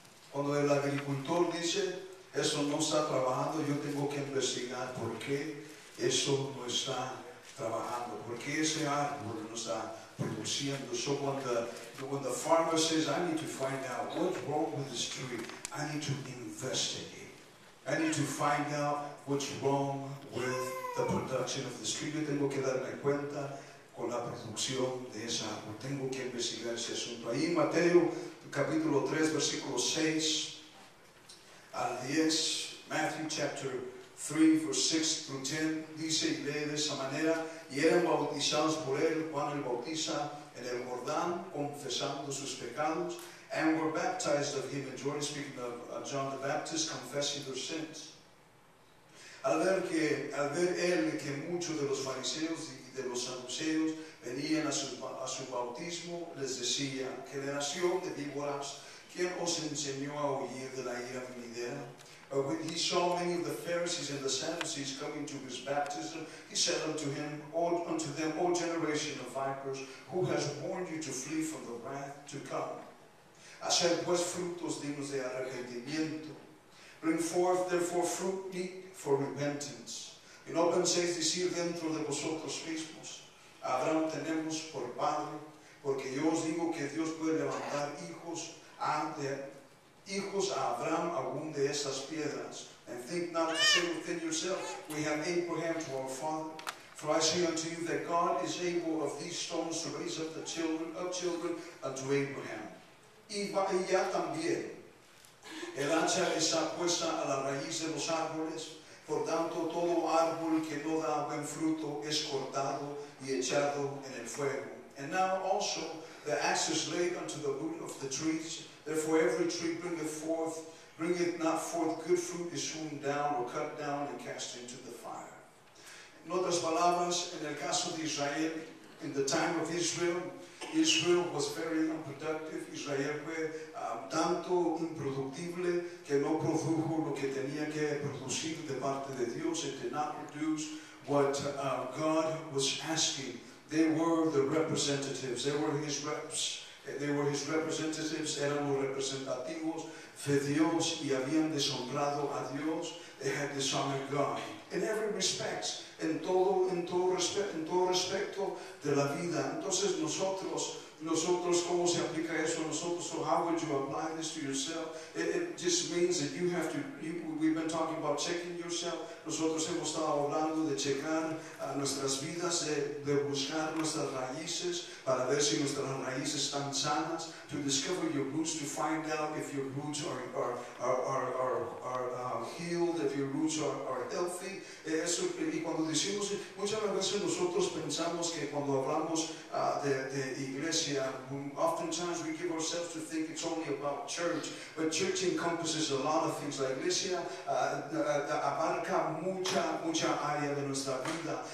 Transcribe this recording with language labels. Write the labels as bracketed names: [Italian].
[Spanish] Cuando el agricultor dice, eso no está trabajando, yo tengo que investigar por qué eso no está trabajando, por qué ese árbol no está produciendo. [English] So when the farmer says, I need to find out what's wrong with this tree, I need to investigate. I need to find out what's wrong with the production of this tree. [Spanish] Yo tengo que darme cuenta con la producción de ese árbol. Tengo que investigar ese asunto. Ahí Mateo, capítulo 3, versículo 6 al 10, [English] Matthew chapter 3, verse 6 through 10, [Spanish] dice y lee de esa manera, y eran bautizados por él, Juan el Bautista, en el Jordán, confesando sus pecados, [English] and were baptized of him, and Jordan, speaking of John the Baptist, confessing their sins. [Spanish] Al ver él que muchos de los fariseos y de los saduceos venían a su bautismo, les decía, generación de víboras, ¿quién os enseñó a huir de la ira venidera? [English] But when he saw many of the Pharisees and the Sadducees coming to his baptism, he said unto them, O generation of vipers, who has warned you to flee from the wrath to come? [Spanish] Hacer pues frutos dignos de arrepentimiento. [English] Bring forth therefore fruit meet for repentance. [Spanish] Y no penséis decir dentro de vosotros mismos, Abraham tenemos por padre, porque yo os digo que Dios puede levantar hijos a Abraham aún de esas piedras. [English] And think not to say within yourself, we have Abraham to our father. For I say unto you that God is able of these stones to raise up the children of children unto Abraham. [Spanish] Y ya también, el hacha está puesta a la raíz de los árboles. Por tanto, todo árbol que no da buen fruto es cortado y echado en el fuego. [English] And now also the axe is laid unto the root of the trees. Therefore every tree bringeth not forth good fruit is hewn down or cut down and cast into the fire. [Spanish] En otras palabras, en el caso de Israel, [English] in the time of Israel, Israel was very unproductive. [Spanish] Israel fue tanto improductible que no produjo lo que tenía que producir de parte de Dios. [English] It did not produce what God was asking. They were the representatives. They were his reps. They were his representatives. [Spanish] Eran los representativos de Dios y habían deshonrado a Dios. [English] They had dishonored God. In every respect, [Spanish] en todo respecto de la vida. Entonces nosotros, ¿cómo se aplica eso a nosotros? [English] So how would you apply this to yourself? It just means that you have to, we've been talking about checking yourself. [Spanish] Nosotros hemos estado hablando de checar nuestras vidas, de buscar nuestras raíces, para ver si nuestras raíces están sanas. [English] To discover your roots, to find out if your roots are healed, if your roots are healthy. [Spanish] Eso, y cuando decimos, muchas veces nosotros pensamos que cuando hablamos de iglesia, [English] oftentimes we give ourselves to think it's only about church, but church encompasses a lot of things. [Spanish] La iglesia abarca mucha área de nuestra vida.